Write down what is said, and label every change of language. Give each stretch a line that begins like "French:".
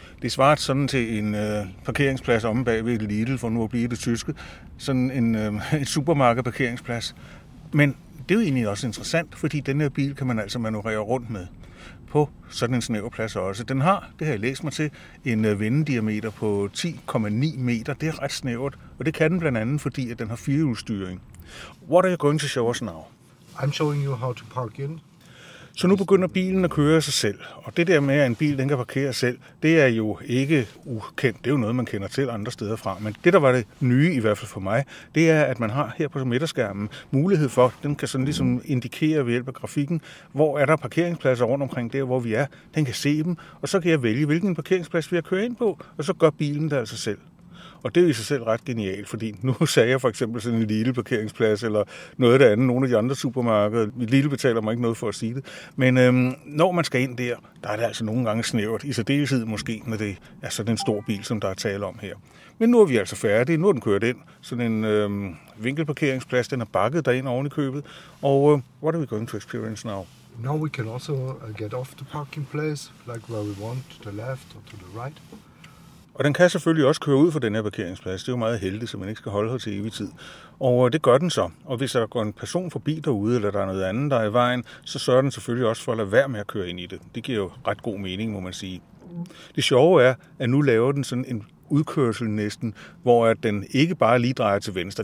Danish: Det svarer sådan til en parkeringsplads omme bag ved Lidl, for nu at blive det tyske, sådan en supermarkedparkeringsplads. Men det er jo egentlig også interessant, fordi den her bil kan man altså manøvrere rundt med på sådan en snæver plads også. Den har, det har jeg læst mig til, en vendediameter på 10,9 meter. Det er ret snævert, og det kan den blandt andet, fordi at den har firehjulsstyring.
English: What are you going to show us now? I'm showing you how to park in.
Danish: Så nu begynder bilen at køre sig selv, og det der med, at en bil den kan parkere selv, det er jo ikke ukendt. Det er jo noget, man kender til andre steder fra, men det, der var det nye i hvert fald for mig, det er, at man har her på midterskærmen mulighed for, den kan sådan ligesom indikere ved hjælp af grafikken, hvor er der parkeringspladser rundt omkring der, hvor vi er. Den kan se dem, og så kan jeg vælge, hvilken parkeringsplads vi har kørt ind på, og så gør bilen det altså selv. Og det er i sig selv ret genialt, fordi nu sagde jeg for eksempel sådan en lille parkeringsplads eller noget af det andet, nogle af de andre supermarkeder. Lille betaler mig ikke noget for at sige det. Men når man skal ind der, der er det altså nogle gange snævert, i særdeleshed måske, når det er sådan en stor bil, som der er tale om her. Men nu er vi altså færdige. Nu er den kørt ind. Sådan en vinkelparkeringsplads, den er bakket derind oven i købet.
English: Og what are we going to experience now? Now we can also get off the parking place, like where we want, to the left or to the right.
Danish: Og den kan selvfølgelig også køre ud fra den her parkeringsplads. Det er jo meget heldigt, så man ikke skal holde her til evig tid. Og det gør den så. Og hvis der går en person forbi derude, eller der er noget andet, der er i vejen, så sørger den selvfølgelig også for at lade være med at køre ind i det. Det giver jo ret god mening, må man sige. Det sjove er, at nu laver den sådan en udkørsel næsten, hvor at den ikke bare lige drejer til venstre.